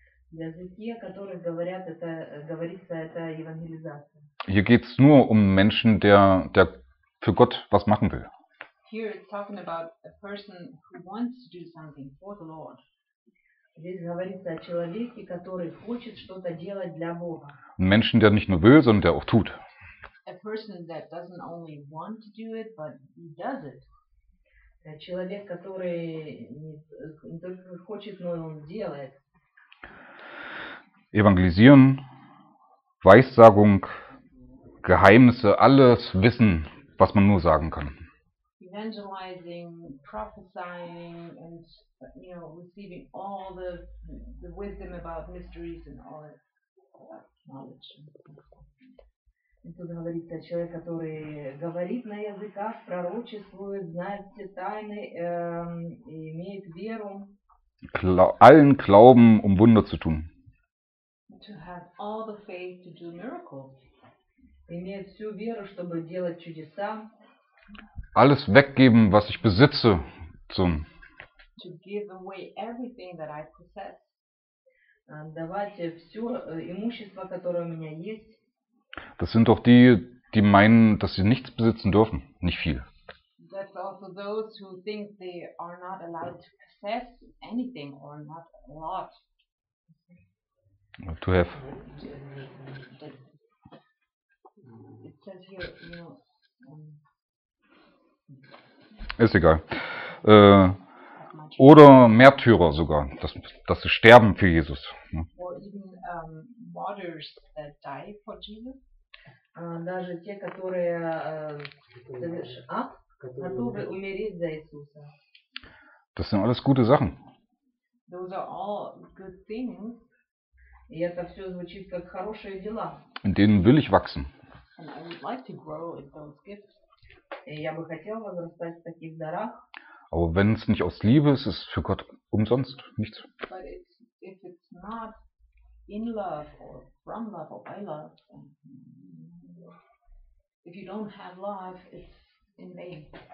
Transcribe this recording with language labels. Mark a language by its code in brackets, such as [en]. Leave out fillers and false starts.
[ru] Для языки, о которых говорят, это говорится, это евангелизация. [de] Hier geht's nur Menschen, der für Gott was machen will. [en] Here it's talking about a person who wants to do something for the Lord. [ru] Здесь говорится о человеке, который хочет что-то делать для Бога. [de] Menschen, der nicht nur will, sondern der auch tut. [en] A person that doesn't only want to do it, but he does it. [ru] Человек, который не только хочет, но он делает. [de] Evangelisieren, Weissagung, Geheimnisse, alles Wissen, was man nur sagen kann. [en] evangelizing, prophesying, and you know, receiving all the wisdom about mysteries and all that knowledge. [ru] И тут говорится о человеке, который говорит на языках, пророчествует, знает все тайны, имеет веру. [de] Allen Glauben, Wunder zu tun. [en] To have all the faith to do miracles. [ru] Имеет всю веру, чтобы делать чудеса. [de] Alles weggeben, was ich besitze, zum. [en] To give away everything that I possess. [ru] Давать все имущество, которое у меня есть. [de] Das sind doch die, die meinen, dass sie nichts besitzen dürfen, nicht viel. [en] That's also those who think they are not allowed to possess anything or not a lot. To have. It says here, [de] ist egal. Oder Märtyrer sogar, dass sie sterben für Jesus. [en] Or even martyrs that die for Jesus. [ru] Даже те, которые готовы умереть за Иисуса. [de] Das sind alles gute Sachen. [en] Those are all good things. [ru] И это все звучит как хорошие дела. [de] In denen will ich wachsen. [en] And I would like to grow in those gifts. [ru] И я бы хотел возрастать в таких дарах. [de] Aber wenn es nicht aus Liebe ist, ist es für Gott umsonst nichts. [en] But if it's not in love or from love or by love, then... If you don't have love, it's in vain.